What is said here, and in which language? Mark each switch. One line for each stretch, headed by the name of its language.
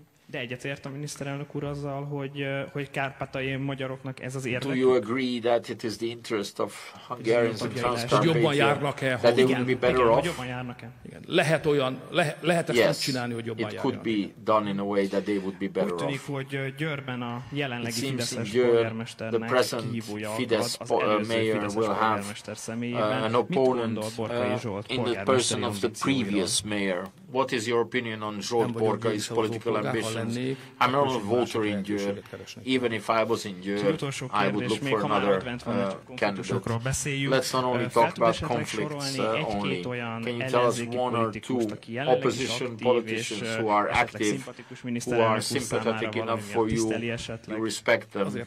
Hungarian: de egyetért a miniszterelnök úr azzal, hogy kárpátaljai magyaroknak ez az érdeke.
English: Do you agree that it is the interest of Hungarians and Transcarpathians that they would be better off?
Hungarian: Lehet olyan, lehet ezt csinálni, hogy jobban járnak.
English: It could be done in a way that they would be better off.
Hungarian: Úgy tűnik, hogy Győrben a jelenlegi Fideszes polgármesternek kihívója
English: Fidesz mayor will have an opponent in the person of the previous mayor. what is your opinion on Zsolt Borka's political ambitions? I'm not a voter in Győr. Even if I was in Győr, I would look for another candidate. Let's not only talk about conflicts only. Can you tell us one or two opposition politicians who are active, who are sympathetic enough for you, you respect them?